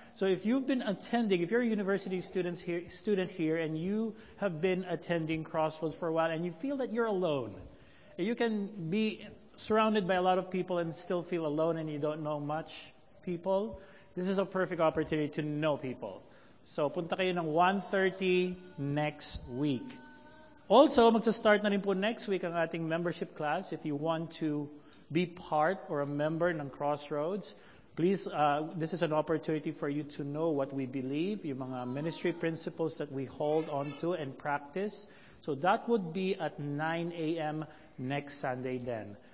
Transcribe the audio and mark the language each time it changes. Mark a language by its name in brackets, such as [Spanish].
[English] So if you've been attending, if you're a university student here and you have been attending Crossroads for a while and you feel that you're alone, you can be surrounded by a lot of people and still feel alone and you don't know much people, this is a perfect opportunity to know people. [Filipino] So punta kayo ng 1:30 [English] next week. Also, [Filipino] magsa-start na rin po [English] next week [Filipino] ang ating [English] membership class if you want to be part or a member ng Crossroads. Please, this is an opportunity for you to know what we believe, [Filipino] yung mga [English] ministry principles that we hold on to and practice. So that would be at 9 a.m. next Sunday then.